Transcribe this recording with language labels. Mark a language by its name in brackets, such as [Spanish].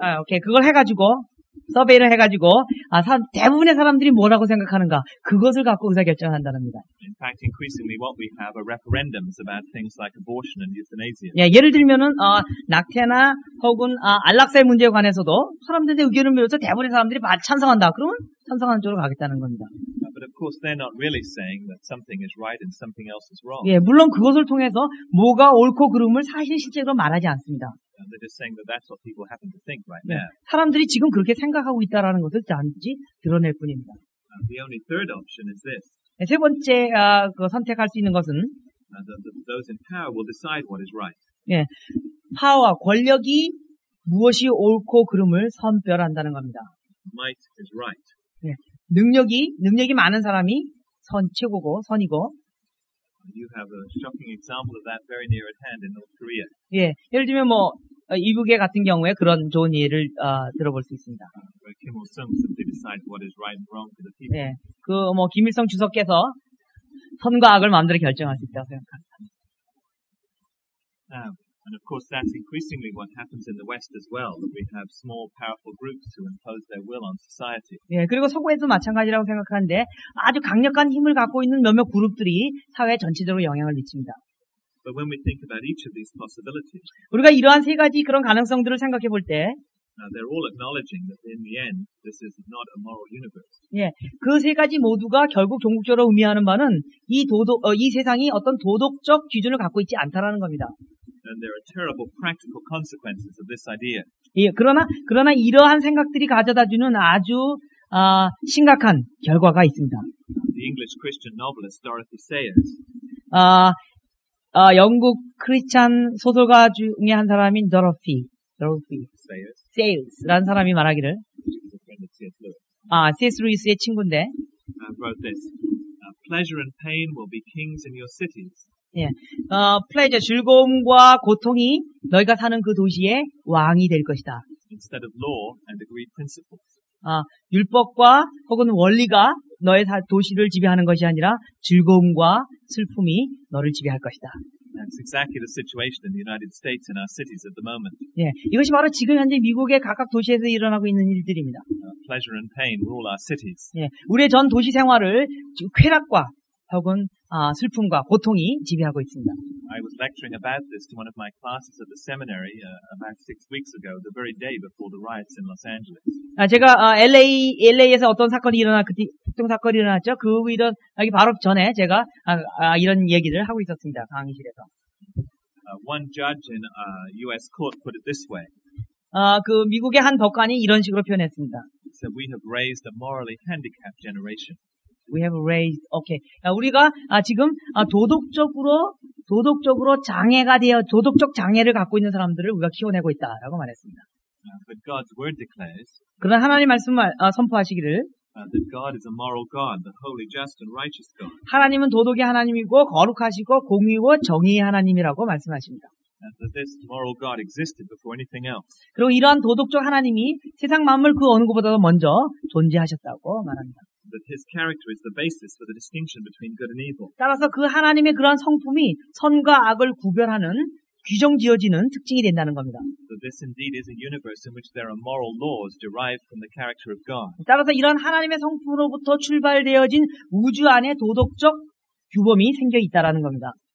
[Korean] 아, 오케이, 그걸 해가지고. 서베이를 해가지고 대부분의 사람들이 뭐라고 생각하는가 그것을 갖고 의사 결정을 한다랍니다. [English] In fact, increasingly what we have are referendums about things like abortion and euthanasia. [Korean] 예, 예를 들면은 낙태나 혹은 안락사의 문제에 관해서도 사람들의 의견을 묻어서 대부분의 사람들이 찬성한다. 그러면 찬성하는 쪽으로 가겠다는 겁니다. [English] But of course, they're not really saying that something is right and something else is wrong. [Korean] 예, 물론 그것을 통해서 뭐가 옳고 그름을 사실 실제로 말하지 않습니다. [English] They're just saying that that's what people happen to think right now. [Korean] 사람들이 지금 그렇게 생각하고 있다라는 것을 단지 드러낼 뿐입니다. [English] The only third option is this. [Korean] 세 번째 그 선택할 수 있는 것은 [English] those in power will decide what is right. [Korean] 예, 파워 권력이 무엇이 옳고 그름을 선별한다는 겁니다. [English] Might is right. [Korean] 예, 능력이 많은 사람이 최고고 선이고. [English] You have a shocking example of that very near at hand in North Korea. [Korean] 예, 예를 들면 뭐 이북의 같은 경우에 그런 좋은 예를 들어볼 수 있습니다. [English] Where Kim Il Sung simply decides what is right and wrong for the people. [Korean] 예, 그 뭐 김일성 주석께서 선과 악을 마음대로 결정할 수 있다고 생각합니다. [English] And of course, that's increasingly what happens in the West as well. That we have small, powerful groups who impose their will on society. [Korean] 예, 그리고 서구에도 마찬가지라고 생각하는데 아주 강력한 힘을 갖고 있는 몇몇 그룹들이 사회 전체적으로 영향을 미칩니다. [English] But when we think about each of these possibilities, [Korean] 우리가 이러한 세 가지 그런 가능성들을 생각해 볼 때, [English] they're all acknowledging that in the end, this is not a moral universe. [Korean] 예, 그 세 가지 모두가 결국 종국적으로 의미하는 바는 이 세상이 어떤 도덕적 기준을 갖고 있지 않다라는 겁니다. [English] And there are terrible practical consequences of this idea. [Korean] 예, 그러나 이러한 생각들이 가져다주는 아주 심각한 결과가 있습니다. [English] The English Christian novelist Dorothy Sayers. [Korean] 영국 크리스찬 소설가 중에 한 사람인 Dorothy Sayers라는 사람이 말하기를. [English] She was a friend of C.S. Lewis. C.S. [Korean] Lewis의 친구인데. [English] Wrote this. Pleasure and pain will be kings in your cities. [Korean] 예, pleasure 즐거움과 고통이 너희가 사는 그 도시의 왕이 될 것이다. [English] Instead of law and agreed principles. [Korean] 율법과 혹은 원리가 너의 도시를 지배하는 것이 아니라 즐거움과 슬픔이 너를 지배할 것이다. [English] That's exactly the situation in the United States and our cities at the moment. [Korean] 예, 이것이 바로 지금 현재 미국의 각각 도시에서 일어나고 있는 일들입니다. [English] Pleasure and pain rule our cities. [Korean] 예, 우리의 전 도시 생활을 쾌락과 혹은 슬픔과 고통이 지배하고 있습니다. [English] I was lecturing about this to one of my classes at the seminary about 6 weeks ago, the very day before the riots in Los Angeles. [Korean] 제가 LA에서 어떤 사건이 일어나 그 폭동 사건이 일어났죠. 그 위로 여기 바로 전에 제가 이런 얘기를 하고 있었습니다. 강의실에서. [English] One judge in a US court put it this way. [Korean] 그 미국의 한 법관이 이런 식으로 표현했습니다. [English] So we have raised a morally handicapped generation. we have raised. Okay. [Korean] 우리가 지금 도덕적으로 장애가 되어 도덕적 장애를 갖고 있는 사람들을 우리가 키워내고 있다라고 말했습니다. [English] But God's word declares. [Korean] 그러나 하나님 말씀을 선포하시기를. [English] That God is a moral God, the holy, just, and righteous God. [Korean] 하나님은 도덕의 하나님이고 거룩하시고 공의고 정의의 하나님이라고 말씀하십니다. [English] And that this moral God existed before anything else. [Korean] 그리고 이러한 도덕적 하나님이 세상 만물 그 어느 것보다도 먼저 존재하셨다고 말합니다. [English] That His character is the basis for the distinction between good and evil. [Korean] 따라서 그 하나님의 그러한 성품이 선과 악을 구별하는 규정지어지는 특징이 된다는 겁니다. [English] So this indeed is a universe in which there are moral laws derived from the character of God. [Korean] 따라서 이런 하나님의 성품으로부터 출발되어진 우주 안에 도덕적 규범이 생겨 있다라는 겁니다.